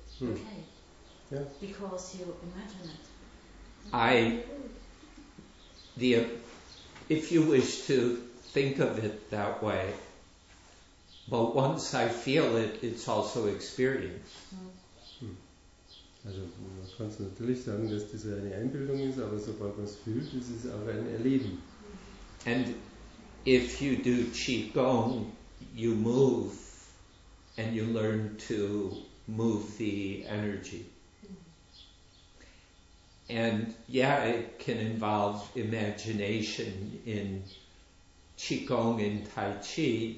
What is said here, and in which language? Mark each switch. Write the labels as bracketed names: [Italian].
[English] Okay. Yeah. Because you imagine it. If you wish to think of it that way, but once I feel it, it's also experience. [German] Also man kann natürlich sagen, dass das eine Einbildung ist, aber sobald man es fühlt, ist es auch ein Erleben. [English] And if you do Qigong, you move and you learn to move the energy. And yeah, it can involve imagination in Qigong and Tai Chi.